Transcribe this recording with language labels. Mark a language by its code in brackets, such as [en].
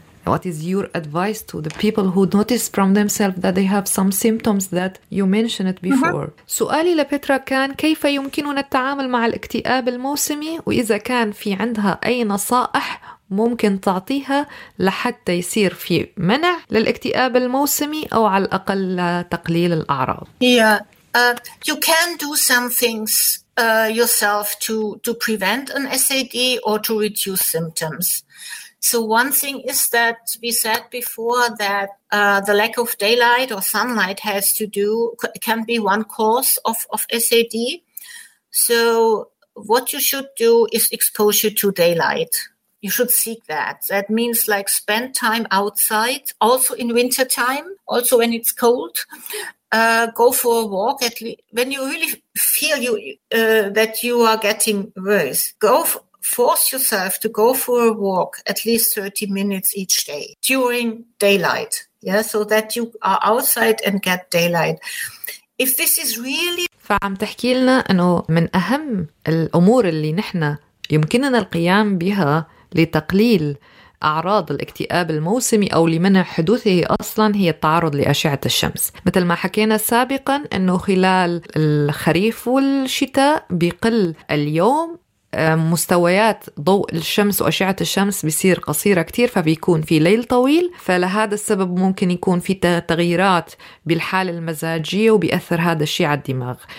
[en] What is your advice to the people who notice from themselves that they have some symptoms that you mentioned before? [ar] سؤالي لبيترا كان كيف يمكننا التعامل مع الاكتئاب الموسمي وإذا كان في عندها أي نصائح ممكن تعطيها لحتى يصير في منع للاكتئاب الموسمي أو على الأقل لتقليل الأعراض. [en] Yeah, you can do some things yourself to prevent an SAD or to reduce symptoms. So one thing is that we said before that the lack of daylight or sunlight has to do can be one cause of SAD. So what you should do is exposure to daylight. You should seek that. That means like spend time outside, also in winter time, also when it's cold. Go for a walk at least when you really feel you that you are getting worse. Force yourself to go for a walk at least 30 minutes each day during daylight. Yeah, so that you are outside and get daylight. If this is really [ar] فعم تحكي لنا إنه من أهم الأمور اللي نحنا يمكننا القيام بها لتقليل أعراض الاكتئاب الموسمي أو لمنع حدوثه أصلاً هي التعرض لأشعة الشمس. مثل ما حكينا سابقاً إنه خلال الخريف والشتاء بيقل اليوم مستويات ضوء الشمس وأشعة الشمس بيصير قصيرة كتير فبيكون في ليل طويل فلهذا السبب ممكن يكون في تغييرات بالحالة المزاجية وبيأثر هذا الشيء على الدماغ.